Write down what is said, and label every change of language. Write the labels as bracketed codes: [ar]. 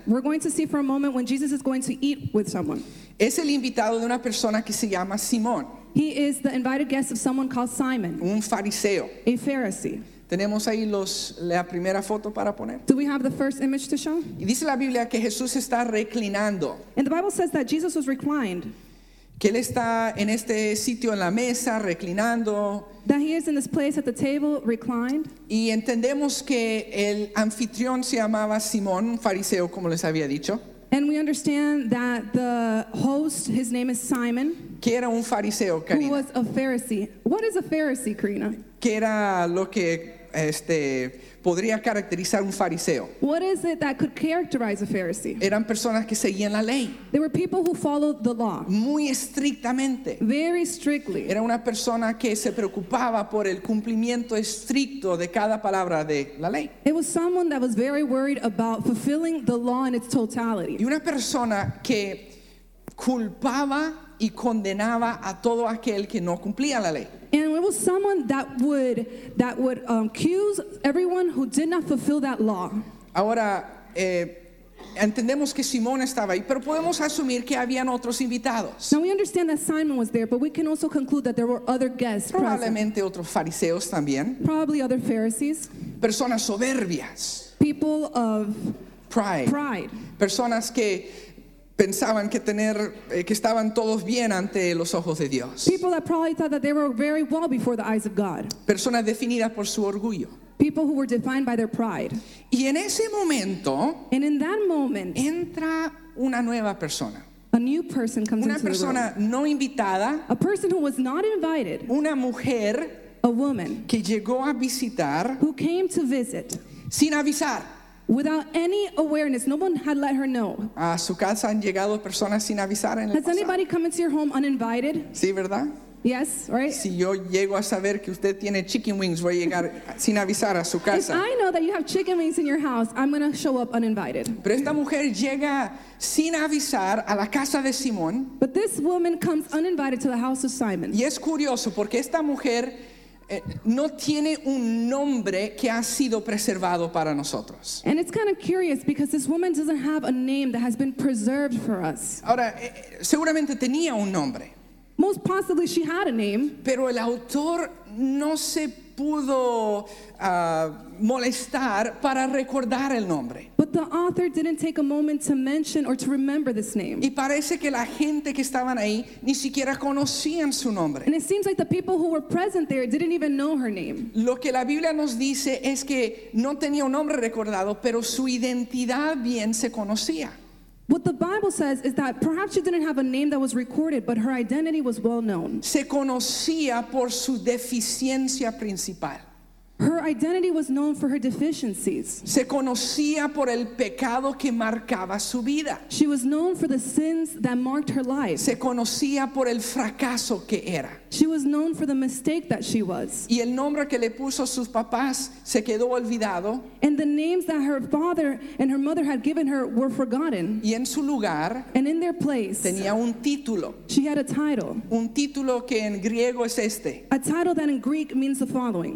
[en] We're going to see for a moment when Jesus is going to eat with someone. [es] Es el invitado de una persona que se llama Simón. [en] He is the invited guest of someone called Simon. [es] Un fariseo. [en] A Pharisee. [es] Tenemos ahí la primera foto para poner. [en] Do we have the first image to show? [es] Y dice la Biblia que Jesús está reclinando. [en] And the Bible says that Jesus was reclined. [es] Que él está en este sitio en la mesa reclinando. [en] That he is in this place at the table reclined. [es] Y entendemos que el anfitrión se llamaba Simón, un fariseo, como les había dicho. [en] And we understand that the host, his name is Simon. [es] Que era un fariseo, Karina. [en] Who was a Pharisee. What is a Pharisee, Karina? [es] Que era lo que podría caracterizar un fariseo. [en] What is it that could characterize a Pharisee? [es] Eran personas que seguían la ley. [en] They were people who followed the law. [es] Muy estrictamente. [en] Very strictly. [es] Era una persona que se preocupaba por el cumplimiento estricto de cada palabra de la ley. [en] It was someone that was very worried about fulfilling the law in its totality. [es] Y una persona que culpaba y condenaba a todo aquel que no cumplía la ley. [en] And it was someone that would accuse everyone who did not fulfill that law. [es] Ahora, Entendemos que Simón estaba ahí, pero podemos asumir que habían otros invitados. [en] Now we understand that Simon was there, but we can also conclude that there were other guests. [es] Probablemente [en] present. [es] Otros fariseos también. [en] Probably other Pharisees. [es] Personas soberbias. [en] People of pride. Pride. [es] Personas que pensaban que tener que estaban todos bien ante los ojos de Dios. [en] People that probably thought that they were very well before the eyes of God. [es] Personas definidas por su orgullo. [en] People who were defined by their pride. [es] Y en ese momento, [en] and in that moment, [es] entra una nueva persona. [en] A new person comes [es] una [en] into [es] persona [en] the room. [es] No invitada, [en] a person who was not invited. [es] Una mujer, [en] a woman, [es] que llegó a visitar, [en] who came to visit, [es] sin avisar. [en] Without any awareness, no one had let her know. [es] A su casa han llegado personas sin avisar en el pasado. [en] Has anybody come into your home uninvited? [es] Sí, ¿verdad? [en] Yes, right? [es] Si yo llego a saber que usted tiene [en] chicken wings, [es] voy a llegar sin avisar a su casa. [en] If I know that you have chicken wings in your house, I'm going to show up uninvited. [es] Pero esta mujer llega sin avisar a la casa de Simón. [en] But this woman comes uninvited to the house of Simon. [es] Y es curioso porque esta mujer no tiene un nombre que ha sido preservado para nosotros. [en] And it's kind of curious because this woman doesn't have a name that has been preserved for us. [es] Ahora, seguramente tenía un nombre. [en] Most possibly she had a name. [es] Pero el autor no se pudo molestar para recordar el nombre. [en] But the author didn't take a moment to mention or to remember this name. [es] Y parece que la gente que estaban ahí ni siquiera conocían su nombre. [en] And it seems like the people who were present there didn't even know her name. [es] Lo que la Biblia nos dice es que no tenía un nombre recordado, pero su identidad bien se conocía. [en] What the Bible says is that perhaps she didn't have a name that was recorded, but her identity was well known. [es] Se conocía por su deficiencia principal. [en] Her identity was known for her deficiencies. [es] Se conocía por el pecado que marcaba su vida. [en] She was known for the sins that marked her life. [es] Se conocía por el fracaso que era. [en] She was known for the mistake that she was. [es] Y el nombre que le puso sus papás se quedó olvidado. [en] And the names that her father and her mother had given her were forgotten. [es] Y en su lugar, [en] and in their place, [es] tenía un título. [en] She had a title. [es] Un título que en griego es este. [en] A title that in Greek means the following.